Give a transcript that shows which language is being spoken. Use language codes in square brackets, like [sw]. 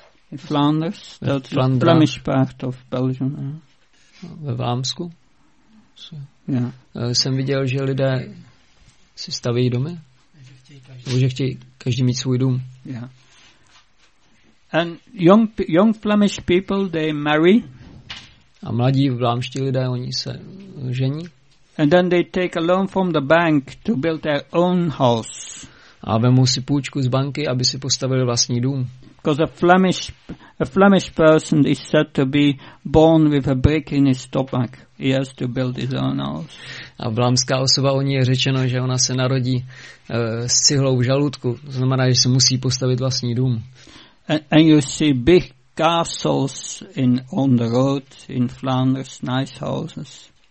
[en] in Flanders, that's the Flemish part of Belgium. [cs] Ve Vlámsku? [en] Yeah. [cs] Jsem viděl, že lidé si staví domy. Že chtějí každý mít svůj dům. [en] Yeah. And young Flemish people, they marry. [cs] A mladí vlámští lidé, oni se žení. [en] And then they take a loan from the bank to build their own house. [cs] A vemou si půjčku z banky, aby si postavili vlastní dům. [en] Because a Flemish person is said to be born with a brick in his stomach. He has to build his own house. [cs] A vlámská osoba, o ní je řečeno, že ona se narodí s cihlou v žaludku. To znamená, že se musí postavit vlastní dům. [en] And you see big castles on the road in Flanders, nice houses.